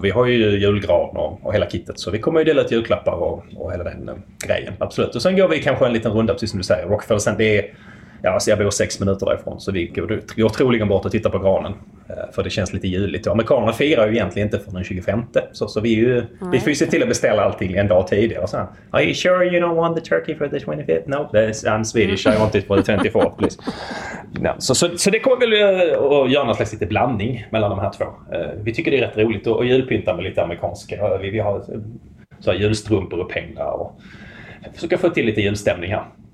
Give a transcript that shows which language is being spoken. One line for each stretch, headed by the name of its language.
Swedish: Vi har ju julgran och hela kittet. Så vi kommer ju dela ut julklappar och hela den grejen. Absolut. Och sen går vi kanske en liten runda, precis som du säger. Rockefeller, sen det är, ja, så jag bor 6 minuter därifrån. Så vi går troligen bort och tittar på granen. För det känns lite juligt. Amerikanerna firar ju egentligen inte förrän 25. Så vi, ju, vi får ju se till att beställa allting en dag tidigare.
English: Så, are you sure you don't want the turkey for the 25th? No, I'm Swedish. I want it for the 24th, please. No.
Swedish: Så det kommer väl att göra någon slags lite blandning mellan de här två. Vi tycker det är rätt roligt att julpynta med lite amerikanska. Vi har så här julstrumpor och pengar. Och försöka få till lite julstämning här.